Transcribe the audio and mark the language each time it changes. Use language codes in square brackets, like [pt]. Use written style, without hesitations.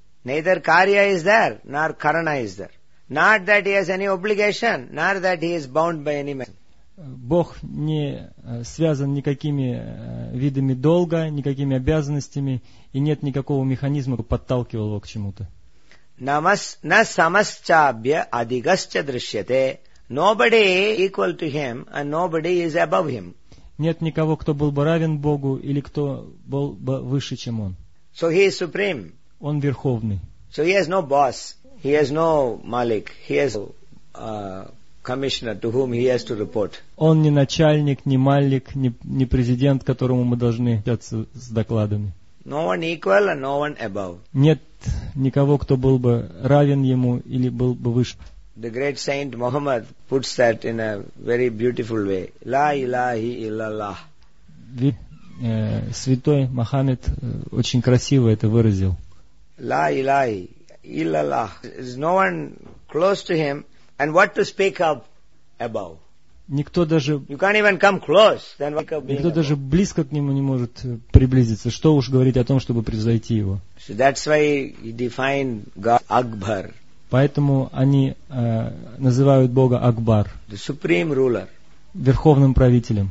[en] Neither karya is there, nor karana is there. Not that he has any obligation, nor that he is bound by any man. [ru] Бог не связан никакими видами долга, никакими обязанностями, и нет никакого механизма, который подталкивал его к чему-то. [sa] На самасчабья адигасча дрищате. [en] Nobody equal to him, and nobody is above him. [ru] нет никого, кто был бы равен Богу или кто был бы выше, чем Он. [en] So he is supreme. [ru] Он верховный. [en] So he has no boss. He has no malik. He has commissioner to whom he has to report. [ru] Он не начальник, не малик, не президент, которому мы должны идти с докладами. [en] No one equal and no one above. [ru] Нет никого, кто был бы равен ему или был бы выше. [en] The great saint Muhammad puts that in a very beautiful way. [ar] La ilaha illallah. [ru] Святой Мухаммед очень красиво это выразил. [ar] La ilaha illallah. [en] There's no one close to him, and what to speak of above? [ru] Никто даже. [en] You can't even come close. Then what to speak of? [ru] Никто даже близко к нему не может приблизиться. Что уж говорить о том, чтобы превзойти его? [en] So that's why he defined God Akbar. [ru] Поэтому они называют Бога Акбар. [en] The supreme ruler. [ru] Верховным правителем.